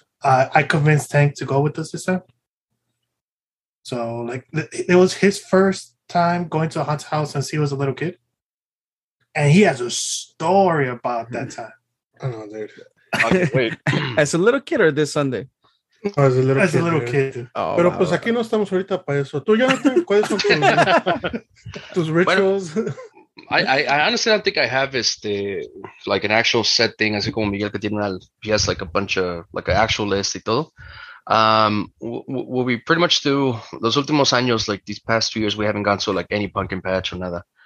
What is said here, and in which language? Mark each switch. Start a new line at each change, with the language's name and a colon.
English: I convinced Tank to go with us this time. So, like, it was his first time going to a haunted house since he was a little kid. And he has a story about that time. Oh, no, dude. Wait. As a little kid or this Sunday? Oh, as a little as kid. As a little dude. Kid.
Spanish: Oh, pero wow, pues wow. Aquí no estamos ahorita para eso. Tú ya no te acuerdas con tus rituals.
English: Bueno, I honestly don't think I have like an actual set thing.
Spanish: Así como Miguel que tiene una,
English: he has like a bunch of like an actual list
Spanish: y todo.
English: What we pretty much do
Spanish: los últimos años,
English: like these past 2 years, we haven't gone to like any pumpkin patch or nada.